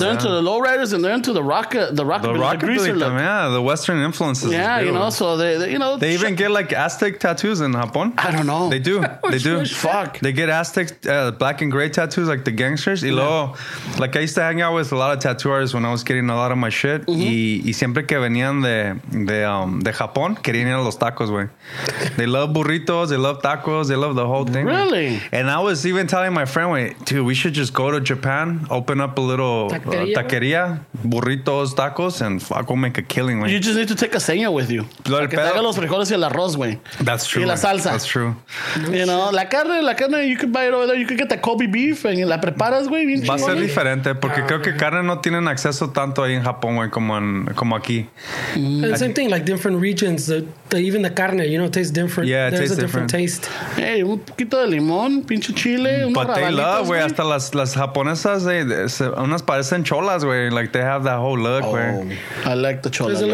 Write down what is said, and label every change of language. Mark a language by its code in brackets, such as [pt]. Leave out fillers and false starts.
[en] They're into the lowriders, and they're into the rockabilly them, yeah. The Western influences. Yeah, you know, so they you know. They even get, like, Aztec tattoos in Japan. I don't know. They do. They do. Fuck. They get Aztec black and gray tattoos, like the gangsters. [es] Y luego, [en] like, I used to hang out with a lot of tattoo artists when I was getting a lot of my shit. Mm-hmm. [es] Y siempre que venían de Japón, querían ir a los tacos, güey. [en] They love burritos. They love tacos. They love the whole thing. Really? And I was even telling my friend, dude, we should just go to Japan, open up a little taqueria, burritos, tacos, and fuck, we'll make a killing. You just need to take a seña with you. [es] Que traiga los frijoles y el arroz, güey. [en] That's true. [es] Y la salsa. [en] That's true. You know, [es] la carne, [en] you could buy it over there. You could get the Kobe beef and [es] la preparas, [en] güey. [es] Va a ser diferente porque creo que carne no tienen acceso tanto ahí en Japón, güey, como aquí. [en] And the same thing, like different regions, even the carne, you know, tastes different. Yeah, there's tastes a different. Taste. [es] Hey, un poquito de limón. Pinche chile, [en] but they love, [es] güey. Hasta las japonesas, unas parecen cholas, güey. [en] Like, they have that whole look, güey. Oh, I like the chola. There's a look.